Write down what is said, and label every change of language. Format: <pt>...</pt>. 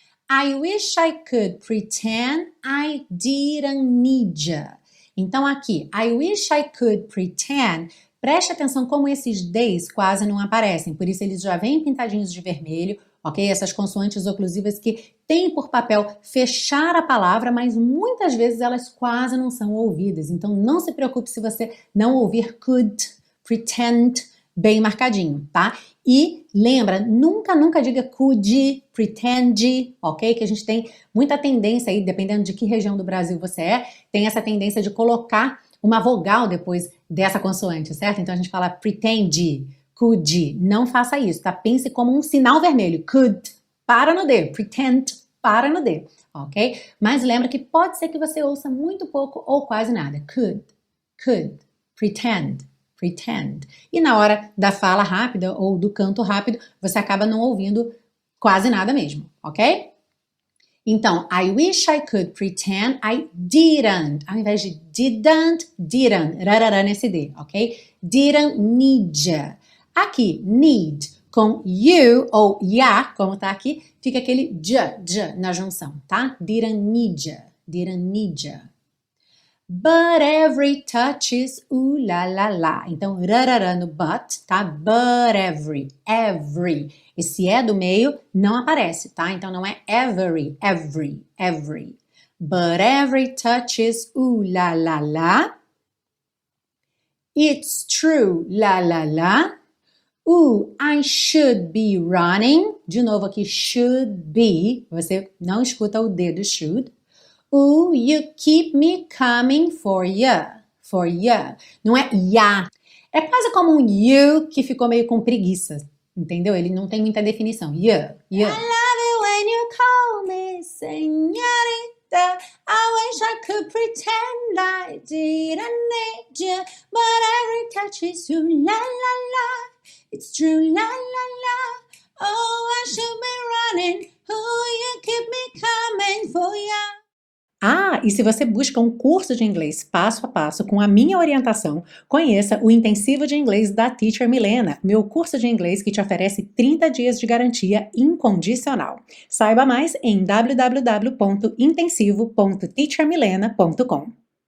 <en>I wish I could pretend I didn't need you.</en> <pt>Então, aqui,</pt> <en>I wish I could pretend,</en> <pt>preste atenção como esses D's quase não aparecem, por isso eles já vêm pintadinhos de vermelho, ok? Essas consoantes oclusivas que têm por papel fechar a palavra, mas muitas vezes elas quase não são ouvidas. Então, não se preocupe se você não ouvir could, pretend, bem marcadinho, tá? E lembra, nunca, nunca diga could, pretend, ok? Que a gente tem muita tendência aí, dependendo de que região do Brasil você é, tem essa tendência de colocar uma vogal depois dessa consoante, certo? Então a gente fala pretend, could, não faça isso, tá? Pense como um sinal vermelho, could, para no D, pretend, para no D, ok? Mas lembra que pode ser que você ouça muito pouco ou quase nada, could, could, pretend. Pretend. E na hora da fala rápida ou do canto rápido, você acaba não ouvindo quase nada mesmo, ok? Então,</pt> <en>I wish I could pretend I didn't.</en> <pt>Ao invés de didn't, didn't. Rarará nesse D, ok?</pt> <en>Didn't need you.</en> <pt>Aqui, need com you ou ya, como tá aqui, fica aquele j na junção, tá?</pt> <en>Didn't need you. Didn't need you. But every touch is ooh la la la.</en> <pt>Então, rarara no but, tá?</pt> <en>But every, every.</en> <pt>Esse é do meio, não aparece, tá? Então, não é every, every, every.</pt> <en>But every touch is ooh la la la. It's true, la la la. Ooh, I should be running.</en> <pt>De novo aqui, should be. Você não escuta o D do should.</pt> <en>Ooh, you keep me coming for ya, for ya.</en> <pt>Não é ya. É quase como um you que ficou meio com preguiça, entendeu? Ele não tem muita definição.</pt> <en>Ya, ya. I love it when you call me senhorita. I wish I could pretend I didn't need ya. But every touch is true, la la la. It's true, la la la. Oh, I should be running. Ooh, you keep me coming for ya.</en> <pt>Ah, e se você busca um curso de inglês passo a passo com a minha orientação, conheça o Intensivo de Inglês da Teacher Milena, meu curso de inglês que te oferece 30 dias de garantia incondicional. Saiba mais em www.intensivo.teachermilena.com.</pt>